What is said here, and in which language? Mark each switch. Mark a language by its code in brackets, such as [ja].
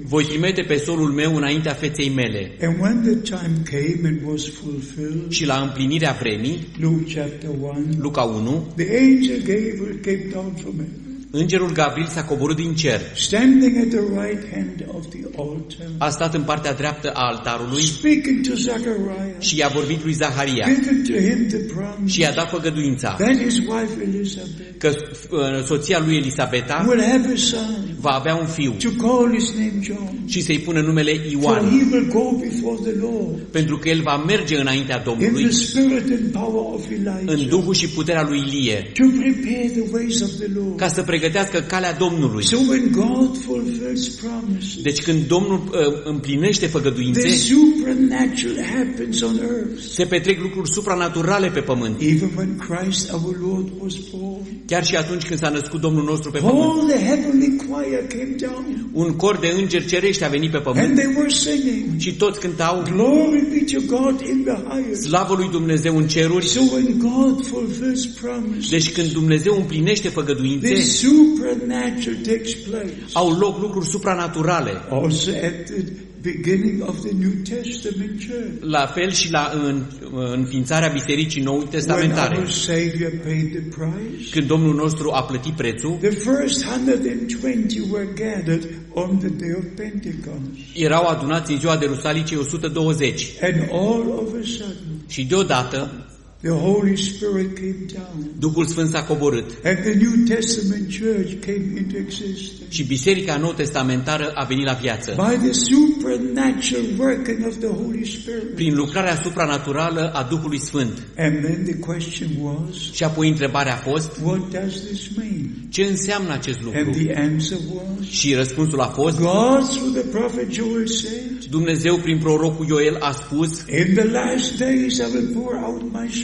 [ro] Voi trimite pe solul meu înaintea feței mele. [en] And when the time came and was fulfilled. [ro] Și la împlinirea vremii. [en] Luke chapter 1. [ro] Luca 1. [en] The angel Gabriel came down from heaven. [ro] Îngerul Gabriel s-a coborât din cer. [en] Standing at the right hand of the altar. [ro] A stat în partea dreaptă a altarului. [en] Speaking to Zachariah. [ro] Și i-a vorbit lui Zaharia. [en] Giving to him the promise. [ro] Și i-a dat făgăduința. [en] Then his wife Elizabeth. [ro] Că soția lui Elisabeta. [en] Will have a son. [ro] Va avea un fiu. [en] To call his name John. [ro] Și să-i pună numele Ioan. [en] For he will go before the Lord. [ro] Pentru că el va merge înaintea Domnului. [en] In the spirit and power of Elijah. [ro] În duhul și puterea lui Ilie. [en] To prepare the ways of the Lord. [ro] Ca să pregătească calea Domnului. [en] So when God fulfills promises, [ro] deci când Domnul împlinește făgăduințe, [en] the supernatural happens on earth. [ro] Se petrec lucruri supranaturale pe pământ. [en] Even when Christ, our Lord, was born, [ro] chiar și atunci când s-a născut Domnul nostru pe pământ, [en] all the heavenly choir came down, [ro] un cor de îngeri cerești a venit pe pământ, [en] and they were singing, [ro] și toți cântau, [en] glory be to God in the highest, [ro] slavă lui Dumnezeu în ceruri. [en] So when God fulfills promises, [ro] deci când Dumnezeu împlinește făgăduințe, [en] supernatural takes place. [ro] Au loc lucruri supranaturale. [en] Also at the beginning of the New Testament church. [ro] La fel și la înființarea bisericii Noului Testamentare. [en] When our Savior paid the price. [ro] Când Domnul nostru a plătit prețul. [en] The first 120 were gathered on the day of Pentecost. [ro] Erau adunați în ziua de Rusalice 120. [en] And all of a sudden. [ro] Și deodată. [en] The Holy Spirit came down. [ro] Duhul Sfânt s-a coborât. [en] And the New Testament church came into existence. [ro] Și biserica nouă testamentară a venit la viață. [en] By the supernatural working of the Holy Spirit. [ro] Prin lucrarea supranaturală a Duhului Sfânt. [en] And then the question was. [ro] Și apoi întrebarea a fost. [en] What does this mean? [ro] Ce înseamnă acest lucru? [en] And the answer was. [ro] Și răspunsul a fost. [en] God through the prophet Joel said. [ro] Dumnezeu prin prorocul Ioel a spus. [en] In the last days I will pour out my.